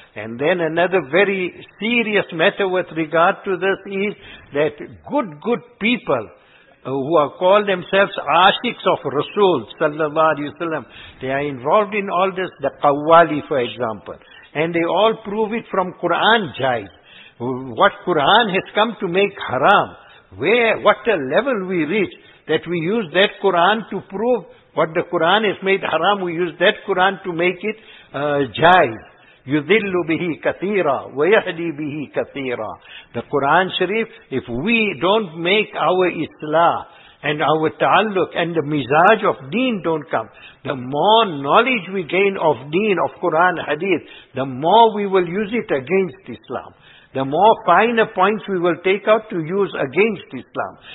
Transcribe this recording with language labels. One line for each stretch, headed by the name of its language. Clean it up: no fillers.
English: And then another very serious matter with regard to this is that good people who are called themselves Ashiks of Rasul sallallahu alayhi wa sallam, they are involved in all this, the Qawwali for example. And they all prove it from Quran jais. What Quran has come to make haram. Where, what a level we reach that we use that Quran to prove what the Quran has made haram, we use that Quran to make it jais.
Arabic: يُذِلُّ بِهِ كَثِيرًا وَيَهْدِي بِهِ كَثِيرًا.
English: The Quran Sharif, if we don't make our islah and our ta'alluq and the mizaj of deen don't come, the more knowledge we gain of deen, of Quran, hadith, the more we will use it against Islam. The more finer points we will take out to use against Islam.